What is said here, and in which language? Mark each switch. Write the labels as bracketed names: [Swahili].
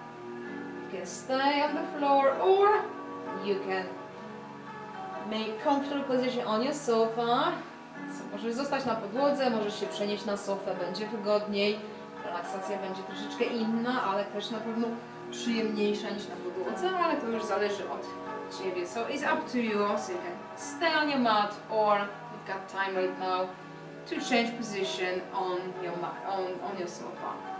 [English] You can stay on the floor or you can make comfortable position on your sofa. [Polish] So możesz zostać na podłodze, możesz się przenieść na sofę, będzie wygodniej. Relaksacja będzie troszeczkę inna, ale też na pewno przyjemniejsza niż na podłodze, ale to już zależy od ciebie. [English] So it's up to you, so you can stay on your mat or you've got time right now to change position on your mat, on your sofa.